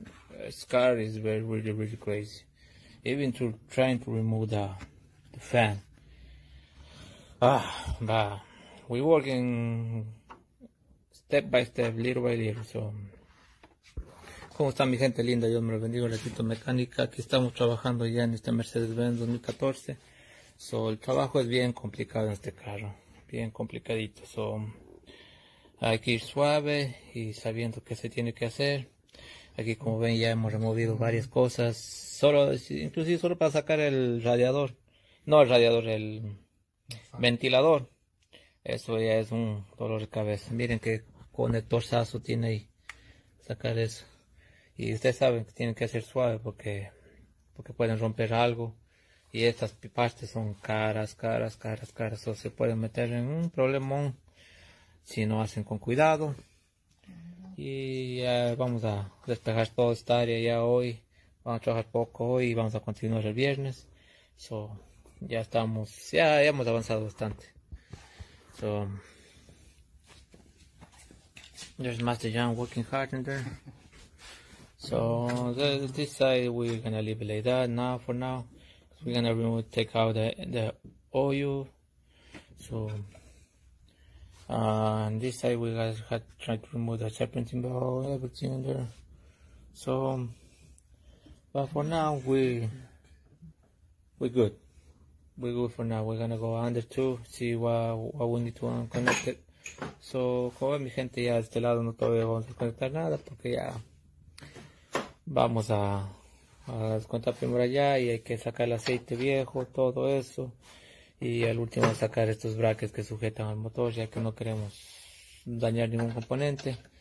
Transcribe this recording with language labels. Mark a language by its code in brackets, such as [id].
[en] This car is very, really, really crazy. Even to trying to remove the fan. But we working step by step, little by little. [es] So, ¿cómo está mi gente linda? Dios me lo bendiga, la Tito Mecánica. Aquí estamos trabajando ya en este Mercedes-Benz 2014. So, el trabajo es bien complicado en este carro. Bien complicadito. So, hay que ir suave y sabiendo qué se tiene que hacer. Aquí, como ven, ya hemos removido varias cosas. Inclusive solo para sacar el radiador. No el radiador, el ventilador. Eso ya es un dolor de cabeza. Miren qué conectorzazo tiene ahí. Sacar eso. Y ustedes saben que tienen que hacer suave porque pueden romper algo. Y estas partes son caras. O se pueden meter en un problemón si no hacen con cuidado. Y ya vamos a despejar toda esta área ya hoy. Vamos a trabajar poco hoy y vamos a continuar el viernes. So, ya estamos, ya hemos avanzado bastante. [en] So, there's Master John working hard in there. So, this side we're gonna leave it like that now for now. We're gonna remove, take out the oil. So, and this side we guys had tried to remove the serpentine ball, everything in there. So, but for now we're good for now. We're gonna go under too, see what we need to unconnect it. [es] So, como ven, mi gente, ya de este lado no todavía vamos a conectar nada porque ya vamos a descontar primero allá y hay que sacar el aceite viejo, todo eso. Y al último sacar estos brackets que sujetan al motor, ya que no queremos dañar ningún componente.